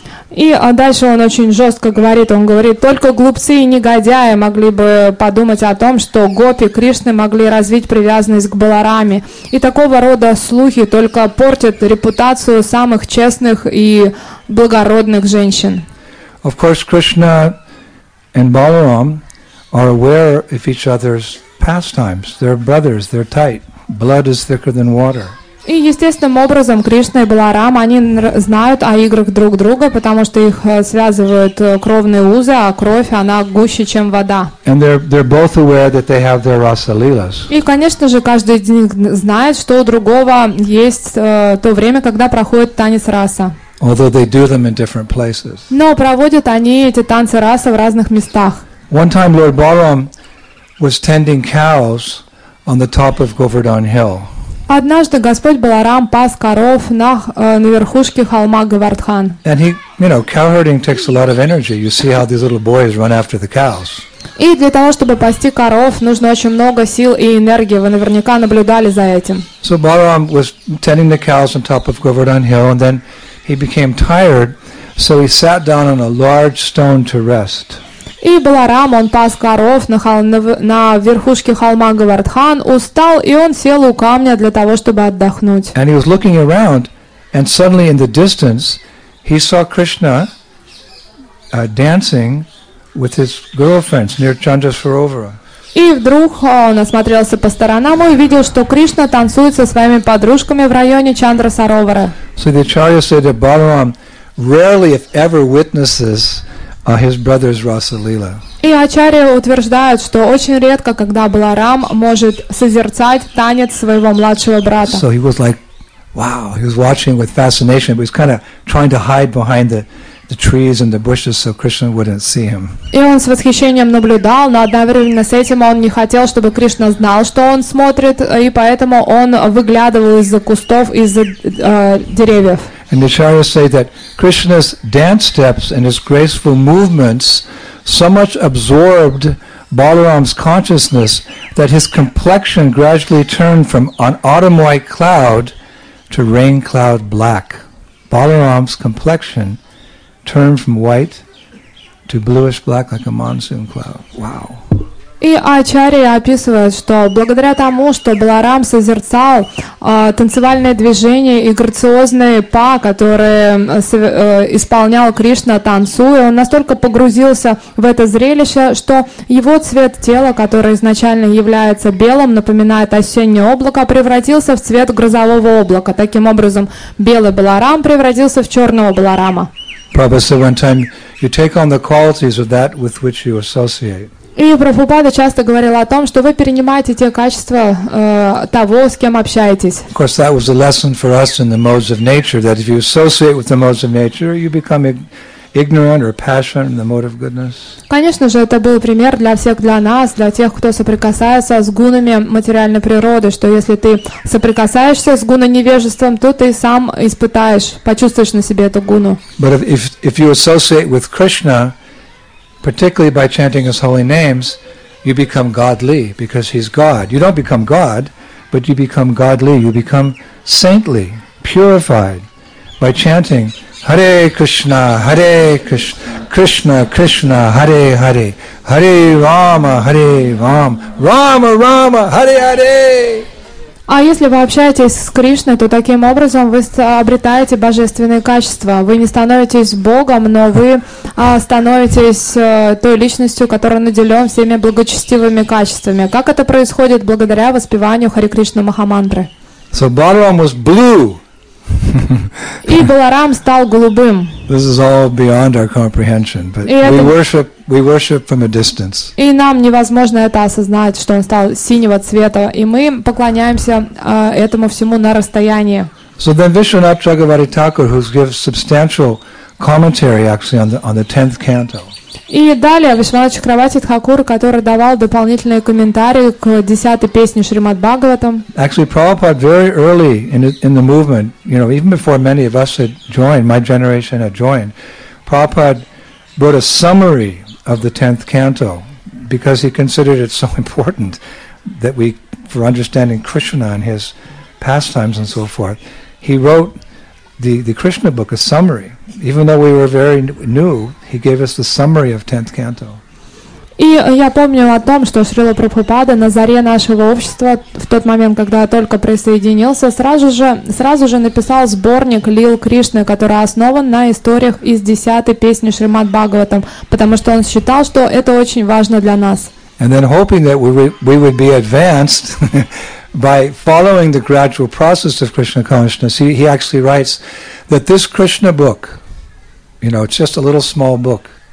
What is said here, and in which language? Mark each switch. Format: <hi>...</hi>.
<ru>И дальше он очень жестко говорит. Он говорит, только глупцы и негодяи могли бы подумать о том, что гопи Кришны могли развить привязанность к Балараме. И такого рода слухи только портят репутацию самых честных и благородных женщин.</ru> <en>Of course, Krishna and Balaram are aware of each other's pastimes. They're brothers. They're tight. Blood is thicker than water.</en> <ru>И естественным образом Кришна и Баларам, они знают о играх друг друга, потому что их связывают кровные узы, а кровь, она гуще, чем вода.</ru> <en>And they're both aware that they have their rasa lilas.</en> <ru>И, конечно же, каждый из них знает, что у другого есть то время, когда проходит танец раса.</ru> <en>Although they do them in different places.</en> <ru>Но проводят они эти танцы раса в разных местах.</ru> <en>One time Lord Balaram was tending cows on the top of Govardhan Hill.</en> <ru>Однажды Господь Баларам пас коров на верхушке холма Говардхан.</ru> <en>And he, you know, cow herding takes a lot of energy. You see how these little boys run after the cows.</en> <ru>И для того, чтобы пасти коров, нужно очень много сил и энергии. Вы наверняка наблюдали за этим.</ru> <en>So Balaram was tending the cows on top of Govardhan Hill, and then he became tired, so he sat down on a large stone to rest.</en> <ru>И Баларам, он пас коров на верхушке холма Говардхан, устал, и он сел у камня для того, чтобы отдохнуть.</ru> <en>And he was looking around, and suddenly in the distance, he saw Krishna dancing with his girlfriends near Chandrasarovara.</en> <ru>И вдруг он осмотрелся по сторонам и увидел, что Кришна танцует со своими подружками в районе Чандрасаровары.</ru> <en>So the Acharya said that Balaram rarely, if ever, witnesses his brother's rasa lila.</en> <ru>И Ачарья утверждает, что очень редко, когда Баларам может созерцать танец своего младшего брата.</ru> <en>So he was like, wow, he was watching with fascination, but he was kind of trying to hide behind the trees and the bushes so Krishna wouldn't see him.</en> <ru>И он с восхищением наблюдал, но одновременно с этим он не хотел, чтобы Кришна знал, что он смотрит, и поэтому он выглядывал из-за кустов, из-за деревьев.</ru> <en>And the Acharyas say that Krishna's dance steps and his graceful movements so much absorbed Balaram's consciousness that his complexion gradually turned from an autumn-white cloud to rain cloud black. Balaram's complexion turned from white to bluish black like a monsoon cloud. Wow.</en> <ru>И Ачария описывает, что благодаря тому, что Баларам созерцал танцевальные движения и грациозные па, которые исполнял Кришна, танцуя, он настолько погрузился в это зрелище, что его цвет тела, который изначально является белым, напоминает осеннее облако, превратился в цвет грозового облака. Таким образом, белый Баларам превратился в черного Баларама.</ru> <en>Prabhupada said one time, you take on the qualities of that with which you associate.</en> <ru>И Прабхупада часто говорил о том, что вы перенимаете те качества того, с кем общаетесь.</ru> <en>Of course, that was a lesson for us in the modes of nature, that if you associate with the modes of nature, you become ignorant or passionate in the mode of goodness.</en> <ru>Конечно же, это был пример для всех, для нас, для тех, кто соприкасается с гунами материальной природы, что если ты соприкасаешься с гуной невежеством, то ты сам испытаешь, почувствуешь на себе эту гуну.</ru> <en>But if you associate with Krishna, particularly by chanting his holy names, you become godly, because he's God. You don't become God, but you become godly. You become saintly, purified, by chanting, Hare Krishna, Hare Krishna, Krishna Krishna, Hare Hare, Hare Rama, Hare Rama, Rama Rama, Hare Hare.</en> <ru>А если вы общаетесь с Кришной, то таким образом вы обретаете божественные качества. Вы не становитесь Богом, но вы становитесь той личностью, которая наделена всеми благочестивыми качествами. Как это происходит благодаря воспеванию Хари Кришна Махамантры?</ru> <en>So Balaram was blue.</en> <ru>И Баларам стал голубым.</ru> <en>This is all beyond our comprehension, but we worship from a distance.</en> <ru>И нам невозможно это осознать, что он стал синего цвета, и мы поклоняемся этому всему на расстоянии.</ru> <en>So then Vishwanath Chakravarti Thakur, who gives substantial commentary actually on the 10th canto.</en> <ru>И далее Вишванат Чакравати Тхакур, который давал дополнительные комментарии к 10-й песне Шримад Бхагаватам.</ru> <en>Actually, Prabhupada very early in the movement, you know, even before many of us had joined, my generation had joined, Prabhupada wrote a summary of the 10th canto because he considered it so important that we, for understanding Krishna and his pastimes and so forth, he wrote the Krishna book, a summary. Even though we were very new, he gave us the summary of 10th canto.</en> <ru>И я помню о том, что Шрила Прабхупада на заре нашего общества, в тот момент, когда я только присоединился, сразу же написал сборник Лил Кришны, который основан на историях из 10-й песни Шримад Бхагаватам, потому что он считал, что это очень важно для нас.</ru> <en>And then hoping that we would be advanced by following the gradual process of Krishna consciousness, he actually writes that this Krishna book, you know, it's just a little small book.</en>